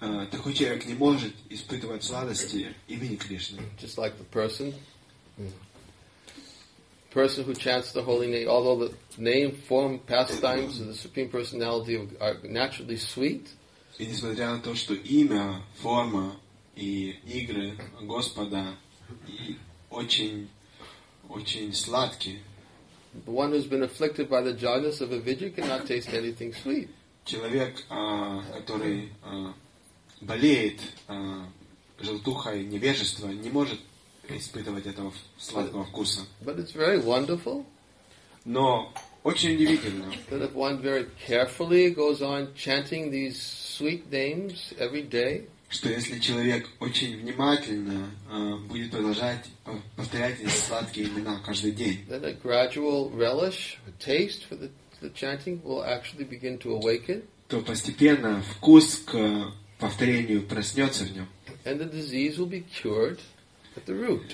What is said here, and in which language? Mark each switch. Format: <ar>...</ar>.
<ru>Такой человек не может испытывать сладости имени Кришны.</ru> <en>Just like the person. Person who chants the holy name, although the name, form, pastimes of the Supreme Personality are naturally sweet.</en> <ru>И несмотря на то, что имя, форма и игры Господа очень сладкие.</ru> <en>The one who's been afflicted by the jaundice of avidya cannot taste anything sweet.</en> <ru>Человек, который болеет желтухой невежества, не может испытывать этого сладкого вкуса.</ru> <en>But it's very wonderful.</en> <ru>Но очень удивительно.</ru> <en>That if one very carefully goes on chanting these sweet names every day.</en> <ru>Что если человек очень внимательно будет продолжать повторять эти сладкие имена каждый день.</ru> <en>Then a gradual relish, a taste for the chanting will actually begin to awaken.</en> <ru>То постепенно вкус к повторению проснется в нем.</ru> <en>And the disease will be cured at the root.</en>